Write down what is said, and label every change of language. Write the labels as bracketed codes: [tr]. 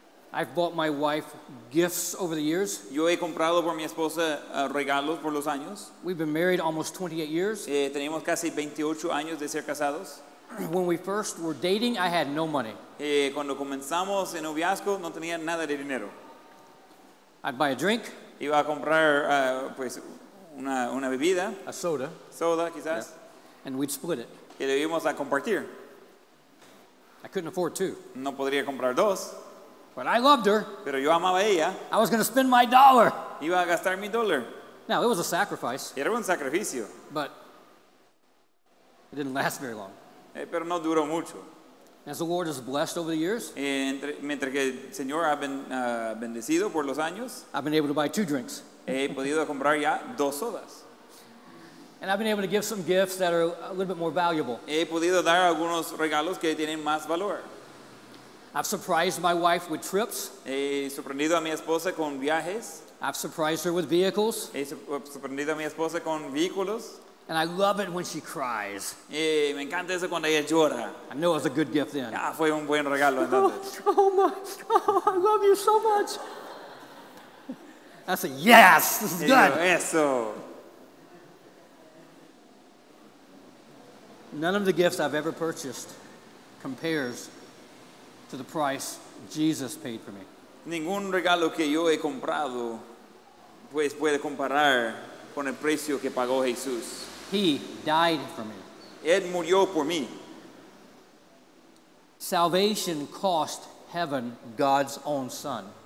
[en] I've bought my wife gifts over the years. [es] Yo he comprado por mi esposa regalos por los años. [en] We've been married almost 28 years. [es] Tenemos casi 28 años de ser casados. [en] When we first were dating, I had no money. [es] Cuando comenzamos en noviazgo, no tenía nada de dinero. [en] I'd buy a drink. [es] Iba a comprar pues una bebida. [en] A soda. [es] Soda, quizás. Yeah. [en] And we'd split it. [es] Y lo íbamos a compartir. [en] I couldn't afford two. [es] No podría comprar dos. [en] But I loved her. [es] Pero yo amaba a ella. [en] I was going to spend my dollar. [es] Iba a gastar mi dólar. [en] Now, it was a sacrifice. [es] Era un sacrificio. [en] But it didn't last very long. [es] Pero no duró mucho. [en] As the Lord has blessed over the years, [es] mientras que el Señor ha bendecido por los años, [en] I've been able to buy two drinks. [es] He podido comprar ya dos sodas. [en] And I've been able to give some gifts that are a little bit more valuable. [es] He podido dar algunos regalos que tienen más valor. [en] I've surprised my wife with trips. [es] He sorprendido a mi esposa con viajes. [en] I've surprised her with vehicles. [es] He sorprendido a mi esposa con vehículos. [en] And I love it when she cries. [es] Y me encanta eso cuando ella llora. [en] I knew it was a good gift then. [es] Ya fue un buen regalo entonces. [en] Oh my, oh, I love you so much. I said, yes, this is good. [es] Eso. [en] None of the gifts I've ever purchased compares to the price Jesus paid for me. [es] Ningún regalo que yo he comprado pues puede comparar con el precio que pagó Jesús. [en] He died for me. [es] Él murió por mí. [en] Salvation cost heaven God's own son.